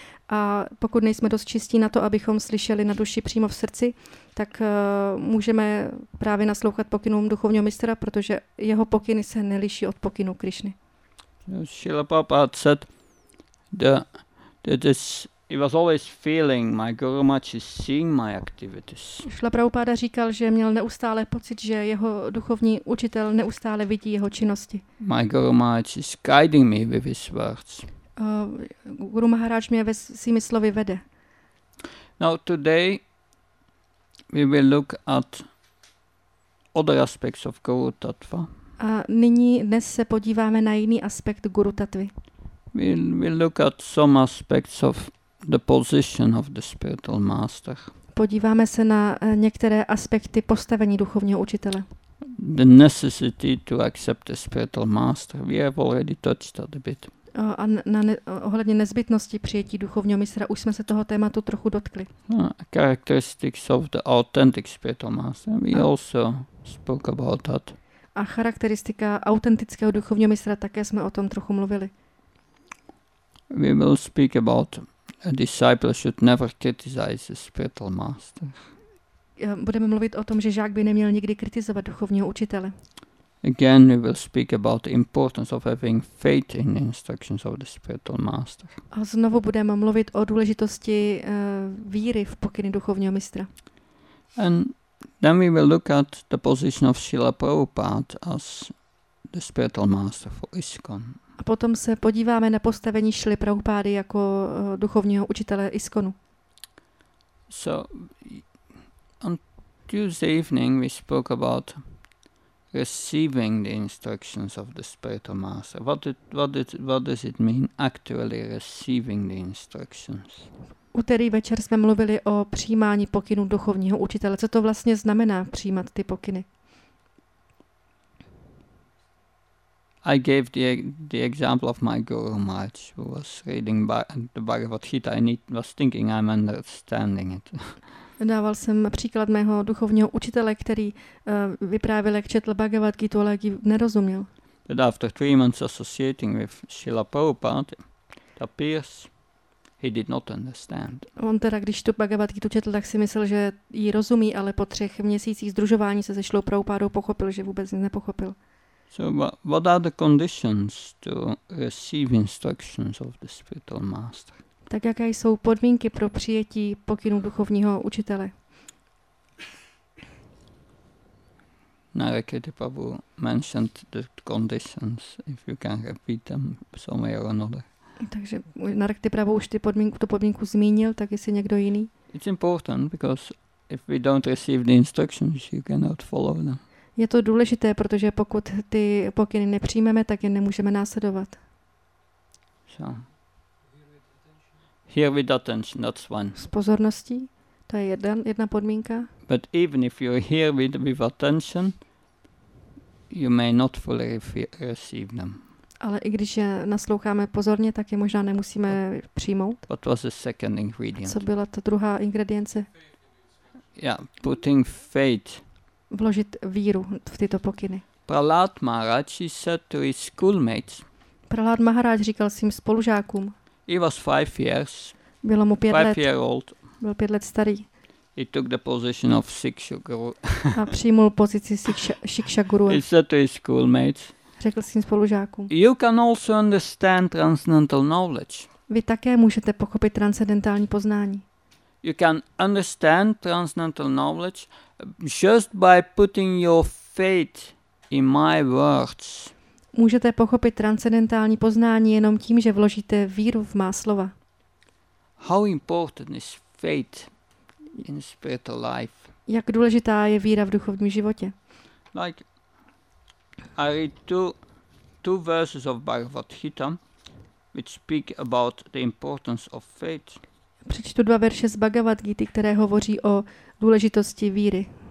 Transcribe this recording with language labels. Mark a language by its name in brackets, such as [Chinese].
[Czech] A pokud nejsme dost čistí na to, abychom slyšeli na duši přímo v srdci, tak můžeme právě naslouchat pokynům duchovního mistra, protože jeho pokyny se neliší od pokynů Krišny. [English] Srila Prabhupada said he was always feeling my Guru Maharaj is seeing my activities. [Czech] Srila Prabhupada říkal, že měl neustále pocit, že jeho duchovní učitel neustále vidí jeho činnosti. [English] My Guru Maharaj is guiding me with his words. [Czech] Guru Maharaj mě ve svými slovy vede. [English] Now today we will look at other aspects of Guru Tattva. [Czech] A nyní dnes se podíváme na jiný aspekt Guru Tattvy. [English] We'll look at some aspects of the position of the spiritual master. [Czech] Podíváme se na některé aspekty postavení duchovního učitele. [English] The necessity to accept the spiritual master. We have already touched that a bit. [Czech] Ohledně nezbytnosti přijetí duchovního mistra, už jsme se toho tématu trochu dotkli. [English] Characteristics of the authentic spiritual master. We also spoke about that. [Czech] A charakteristika autentického duchovního mistra, také jsme o tom trochu mluvili. [English] We will speak about a disciple should never criticize the spiritual master. [Czech] Budeme mluvit o tom, že žák by neměl nikdy kritizovat duchovního učitele. [English] Again, we will speak about the importance of having faith in the instructions of the spiritual master. [Czech] A znovu budeme mluvit o důležitosti víry v pokyny duchovního mistra. [English] And then we will look at the position of Srila Prabhupada as the spiritual master for ISKCON. [Czech] A potom se podíváme na postavení Šily Prabhupády jako duchovního učitele ISKCONu. [English] So on Tuesday evening we spoke about receiving the instructions of the spiritual master. What does it mean actually receiving the instructions? [Czech] Úterý večer jsme mluvili o přijímání pokynů duchovního učitele. Co to vlastně znamená přijímat ty pokyny? [English] I gave the example of my Guru Maharaj, who was reading the Bhagavad Gita and he was thinking I'm understanding it. [Czech] Dával jsem příklad mého duchovního učitele, který vyprávěl, jak četl Bhagavad Gita, ale jak ji nerozuměl. [English] But after 3 months associating with Srila Prabhupada, it appears he did not understand. [Czech] On teda, když tu Bhagavad Gita četl, tak si myslel, že ji rozumí, ale po 3 měsících združování se Srilou Prabhupádou pochopil, že vůbec nepochopil. [English] So what are the conditions to receive instructions of the spiritual master? [Czech] Tak jaké jsou podmínky pro přijetí pokynů duchovního učitele? [English] Narakity Prabhu mentioned the conditions, if you can repeat them somewhere or another. [Czech] Takže Narakity Prabhu už tu podmínku zmínil, tak jestli někdo jiný? [English] It's important because if we don't receive the instructions, you cannot follow them. [Czech] Je to důležité, protože pokud ty pokyny nepřijmeme, tak je nemůžeme následovat. [English] So. Here with attention, that's one. [Czech] S pozorností, to je jedna podmínka. [English] But even if you're here with attention, you may not fully receive them. [Czech] Ale i když je nasloucháme pozorně, tak je možná nemusíme přijmout. [English] What was the second ingredient? [Czech] A co byla ta druhá ingredience? [English] Yeah, putting faith. [Czech] Vložit víru v tyto pokyny. [English] Prahlad Maharaj said to his schoolmates. [Czech] Prahlad Maharaj říkal svým spolužákům. [English] He was 5 years. [Czech] Bylo mu 5 let. [English] 5 year old. [Czech] Byl 5 let starý. [English] He took the position of Siksha Guru. [Czech] A přijmul pozici Siksha Guru. [English] He said to his schoolmates. [Czech] Řekl svým spolužákům. [English] You can also understand transcendental knowledge. [Czech] Vy také můžete pochopit transcendentální poznání. [English] You can understand transcendental knowledge just by putting your faith in my words. [Czech] Můžete pochopit transcendentální poznání jenom tím, že vložíte víru v má slova. [English] How important is faith in spiritual life? [Czech] Jak důležitá je víra v duchovním životě? [English] Like, I read two verses of Bhagavad Gita, which speak about the importance of faith. [Czech] Přečtu 2 verše z Bhagavad Gita, které hovoří o důležitosti víry.